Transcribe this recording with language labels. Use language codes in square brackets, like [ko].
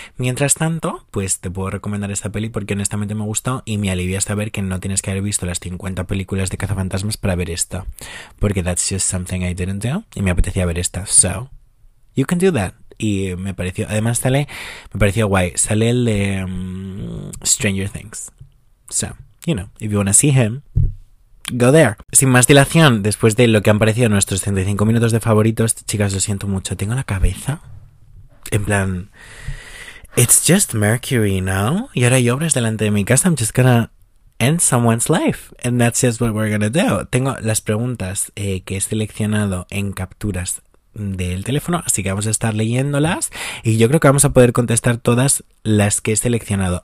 [es] Mientras tanto, pues te puedo recomendar esta peli porque honestamente me gustó y me alivia saber que no tienes que haber visto las 50 películas de cazafantasmas para ver esta. Porque [en] that's just something I didn't do [es] y me apetecía ver esta. [en] So, you can do that. [es] Y me pareció, además sale, me pareció guay. Sale el de Stranger Things. [en] So, you know, if you wanna see him. Go there. [es] Sin más dilación, después de lo que han parecido nuestros 35 minutos de favoritos, chicas, lo siento mucho. Tengo la cabeza en plan, [en] it's just Mercury, [es] ¿no? Y ahora hay obras delante de mi casa. [en] I'm just gonna end someone's life. And that's just what we're gonna do. [es] Tengo las preguntas que he seleccionado en capturas del teléfono, así que vamos a estar leyéndolas y yo creo que vamos a poder contestar todas las que he seleccionado.